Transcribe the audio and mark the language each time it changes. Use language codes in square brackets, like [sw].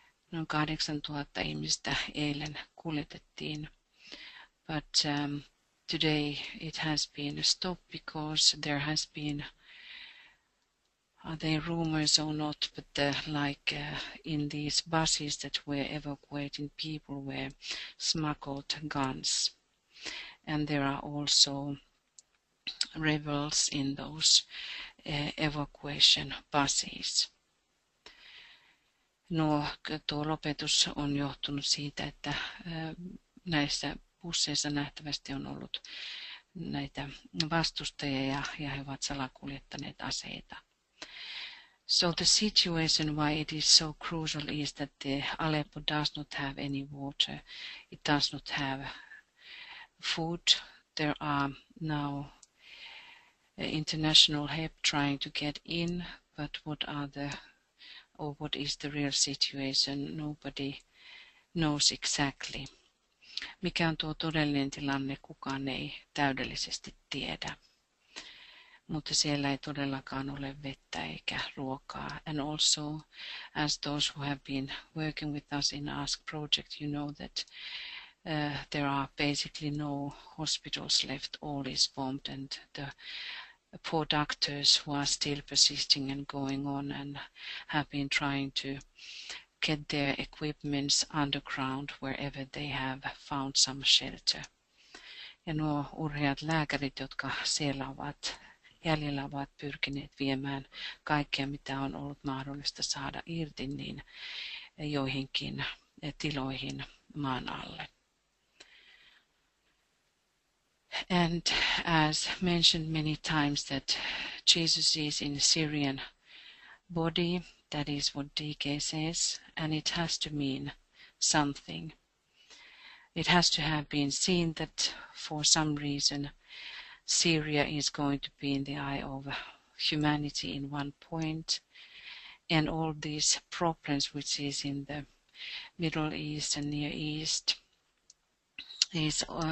[fi] Noin 8,000 ihmistä eilen kuljetettiin, [en] but today it has been stopped because there has been, are they rumors or not, but in these buses that were evacuating people were smuggled guns, and there are also rebels in those evacuation buses. [fi] No, tuo lopetus on johtunut siitä, että näissä busseissa nähtävästi on ollut näitä vastustajia ja he ovat salakuljettaneet aseita. [en] So the situation why it is so crucial is that the Aleppo does not have any water. It does not have food there are now international help trying to get in, but what are the, or what is the real situation? Nobody knows exactly. [fi] Mikä on tuo todellinen tilanne, kukaan ei täydellisesti tiedä. Mutta siellä ei todellakaan ole vettä eikä ruokaa. [en] And also, as those who have been working with us in Ask Project, you know that there are basically no hospitals left. All is bombed and the poor doctors who are still persisting and going on and have been trying to get their equipments underground wherever they have found some shelter. [fi] Ja nuo urheat lääkärit, jotka siellä ovat jäljellä ovat pyrkineet viemään kaikkea, mitä on ollut mahdollista saada irti, niin joihinkin tiloihin maan alle. [en] And as mentioned many times that Jesus is in a Syrian body, that is what DK says, and it has to mean something. It has to have been seen that for some reason Syria is going to be in the eye of humanity in one point, and all these problems which is in the Middle East and Near East is